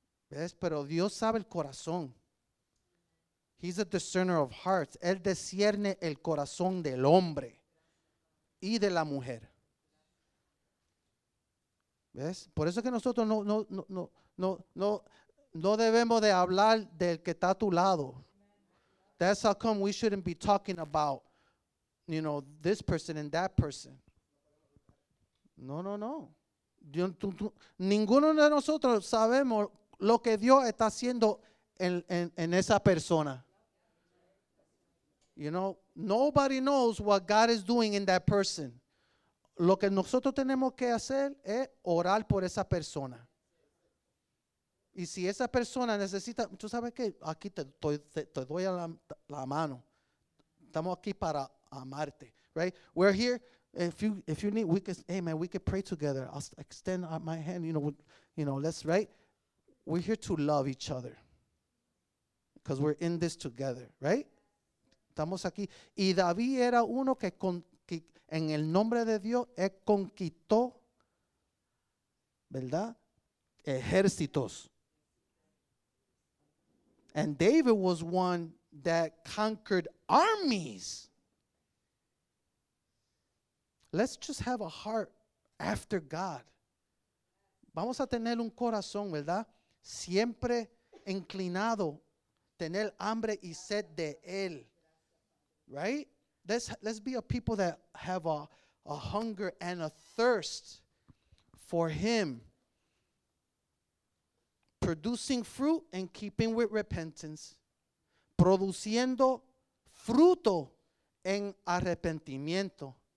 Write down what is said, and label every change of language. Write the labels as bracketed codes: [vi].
[es] ¿Ves? Pero Dios sabe el corazón. [en] He's a discerner of hearts. [es] Él discierne el corazón del hombre y de la mujer. ¿Ves? Por eso que nosotros no debemos de hablar del que está a tu lado. [en] That's how come we shouldn't be talking about, you know, this person and that person. [es] No. Ninguno de nosotros sabemos lo que Dios está haciendo en esa persona. [en] You know, nobody knows what God is doing in that person. [es] Lo que nosotros tenemos que hacer es orar por esa persona. Y si esa persona necesita, tú sabes que aquí te doy la mano. Estamos aquí para amarte, [en] right? We're here. If you need, we can. Hey, man, we can pray together. I'll extend my hand. You know. Let's right. We're here to love each other because we're in this together, right? [es] Estamos aquí. Y David era uno que en el nombre de Dios conquistó, ¿verdad? Ejércitos. [en] And David was one that conquered armies. Let's just have a heart after God. [es] Vamos a tener un corazón, ¿verdad? Siempre inclinado, tener hambre y sed de él. [en] Right? Let's be a people that have a hunger and a thirst for him. Producing fruit and keeping with repentance. [es] Produciendo fruto en arrepentimiento.